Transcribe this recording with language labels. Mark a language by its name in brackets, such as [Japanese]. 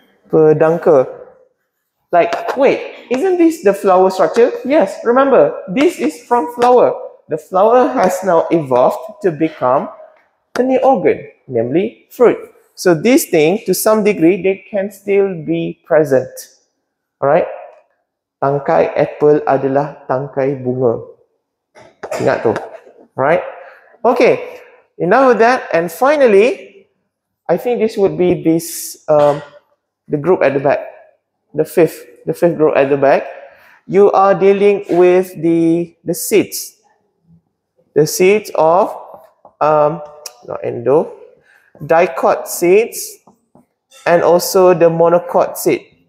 [English] Peduncle. Like, wait, isn't this the flower structure? Yes, remember, this is from flower. The flower has now evolved to become a new organ, namely fruit. So this thing, to some degree, they can still be present. Alright? [Malay] Tangkai apple adalah tangkai bunga. Ingat tu. [English] Alright? Okay. Enough of that. And finally, I think this would be this the group at the back. The fifth group at the back. You are dealing with the seeds. The seeds of, not endo, dicot seeds, and also the monocot seed.